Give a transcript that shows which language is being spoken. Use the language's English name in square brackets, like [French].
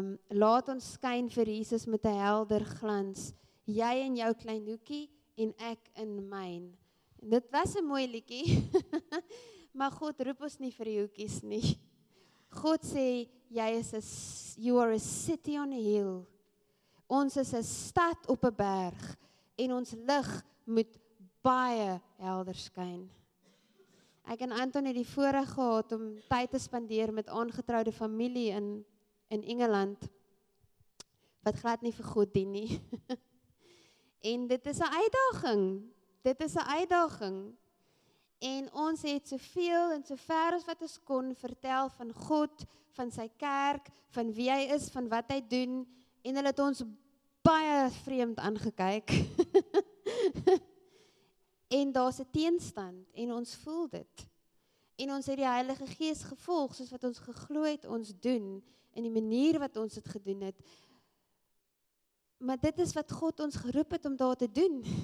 [Afrikaans] Laat ons skyn vir Jesus met 'n helder glans. Jy in jou klein hoekie en ek in myn. En dit was 'n mooi liedjie. Maar God roep ons nie vir die hoekies nie. God sê, [English] you are a city on a hill. [Afrikaans] Ons is 'n stad op 'n berg. En ons lig moet baie helder skyn. Ek en Anton het die voorreg gehad om tyd te spandeer met aangetroude familie in Engeland, wat glad nie vir God dien nie. En dit is 'n uitdaging. Dit is 'n uitdaging. En ons het soveel en so ver as wat ons kon vertel van God, van sy kerk, van wie hy is, van wat hy doen. En hulle het ons baie vreemd aangekyk. En daar's 'n teenstand en ons voel dit. En ons het die Heilige Gees gevolg soos wat ons geglo het ons doen in die manier wat ons dit gedoen het. Maar dit is wat God ons geroep het om daar te doen.